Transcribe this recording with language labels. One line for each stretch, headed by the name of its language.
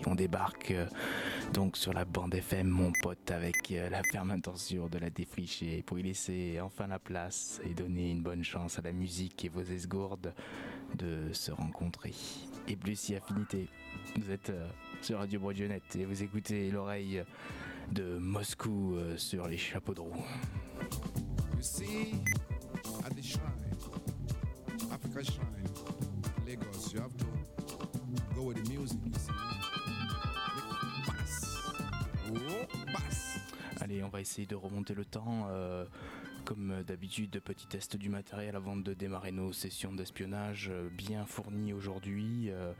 French: On débarque donc sur la bande FM, mon pote, avec la ferme intention de la défricher pour y laisser enfin la place et donner une bonne chance à la musique et vos esgourdes de se rencontrer. Et plus si affinité, vous êtes sur Radio Brodionnette et vous écoutez l'oreille de Moscou sur les chapeaux de roue.
English: You see, at the shrine, Africa shrine, Lagos, you have to go with the music, you see. Bass. Oh, bass.
French: Allez, on va essayer de remonter le temps. Comme d'habitude, petit test du matériel avant de démarrer nos sessions d'espionnage bien fournies aujourd'hui.